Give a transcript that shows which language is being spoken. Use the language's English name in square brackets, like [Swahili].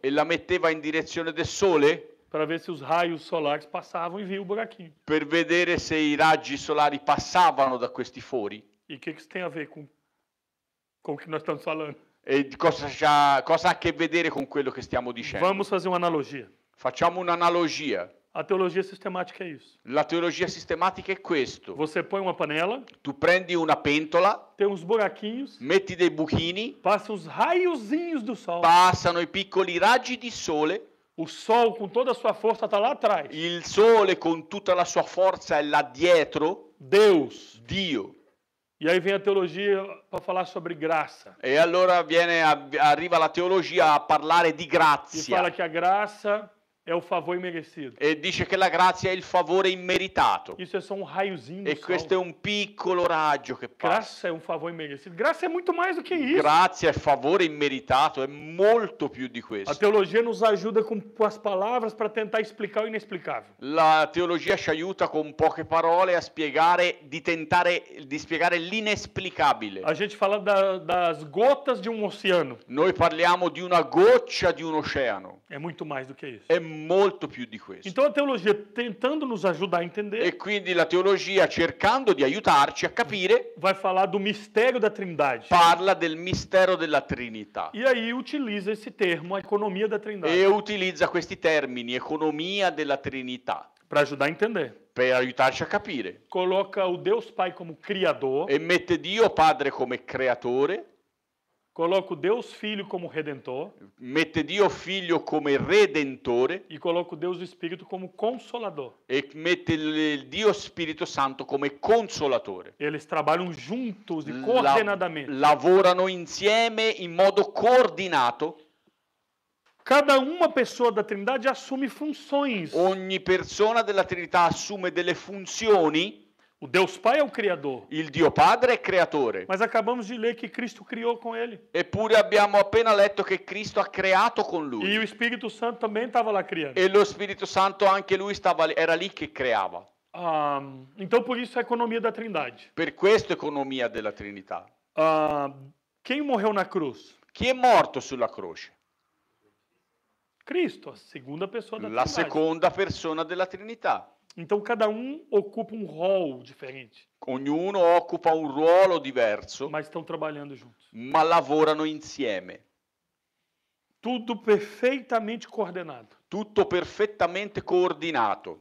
[Italian] E la metteva in direzione del sole. [Portuguese] Para ver se os raios solares passavam e via o buraquinho. [Italian] Per vedere se i raggi solari passavano da questi fori. [Portuguese] E o que isso tem a ver com o que nós estamos falando? [Italian] E cosa ha a che vedere con quello che stiamo dicendo? [Portuguese] Vamos fazer uma analogia. [Italian] Facciamo un'analogia. [Portuguese] A teologia sistemática é isso. [Italian] La teologia sistemática è questo. [Portuguese] Você põe uma panela. [Italian] Tu prendi una pentola. [Portuguese] Tem uns buraquinhos. [Italian] Metti dei buchini. [Portuguese] Passam os raiozinhos do sol. [Italian] Passano i piccoli raggi di sole. [Portuguese] O sol com toda a sua força está lá atrás. [Italian] Il sole con tutta la sua forza è là dietro. [Portuguese] Deus. [Italian] Dio. [Portuguese] E aí vem a teologia para falar sobre graça. [Italian] E allora arriva la teologia a parlare di grazia. [Portuguese] E fala que a graça é o favor imerecido. [Italian] E dice che la grazia è il favore immeritato. [Portuguese] Isso é só um raiozinho. [Italian] E questo è un piccolo raggio che passa. [Portuguese] Graça é um favor imerecido. Graça é muito mais do que isso. [Italian] Grazia è favore immeritato, è molto più di questo. [Portuguese] A teologia nos ajuda com as palavras para tentar explicar o inexplicável. [Italian] La teologia ci aiuta con poche parole a spiegare di spiegare l'inesplicabile. [Portuguese] A gente fala das gotas de um oceano. [Italian] Noi parliamo di una goccia di un oceano. [Portuguese] É muito mais do que isso. [Italian] È molto più di questo. [Portuguese] Então a teologia tentando nos ajudar a entender. [Italian] E quindi la teologia cercando di aiutarci a capire. [Portuguese] Vai falar do mistério da Trindade. [Italian] Parla del mistero della Trinità. [Portuguese] E aí utiliza esse termo, a economia da Trindade. [Italian] E utilizza questi termini, economia della Trinità. [Portuguese] Para ajudar a entender. [Italian] Per aiutarci a capire. [Portuguese] Coloca o Deus Pai como criador. [Italian] E mette Dio Padre come creatore. [Portuguese] Coloco Deus Filho como Redentor. [Italian] Mette Dio Figlio come Redentore. [Portuguese] E coloco Deus Espírito como Consolador. [Italian] E mette Dio Spirito Santo come Consolatore. [Portuguese] Eles trabalham juntos e coordenadamente. [Italian] Lavorano insieme in modo coordinato. [Portuguese] Cada uma pessoa da Trindade assume funções. [Italian] Ogni persona della Trinità assume delle funzioni. [Portuguese] O Deus Pai é o criador. [Italian] Il Dio Padre è creatore. [Portuguese] Mas acabamos de ler que Cristo criou com ele. [Italian] Eppure abbiamo appena letto che Cristo ha creato con lui. [Portuguese] E o Espírito Santo também estava lá criando. [Italian] E lo Spirito Santo anche lui stava era lì che creava. [Portuguese] Então por isso a economia da Trindade. [Italian] Per questo economia della Trinità. [Portuguese] Quem morreu na cruz? [Italian] Chi è morto sulla croce? [Portuguese] Cristo, a segunda pessoa da [Italian] La [Portuguese] Trindade. [Italian] Seconda persona della Trinità. [Portuguese] Então cada ocupa rol diferente. [Italian] Ognuno occupa un ruolo diverso. [Portuguese] Mas estão trabalhando juntos. [Italian] Ma lavorano insieme. [Portuguese] Tudo perfeitamente coordenado. [Italian] Tutto perfettamente coordinato.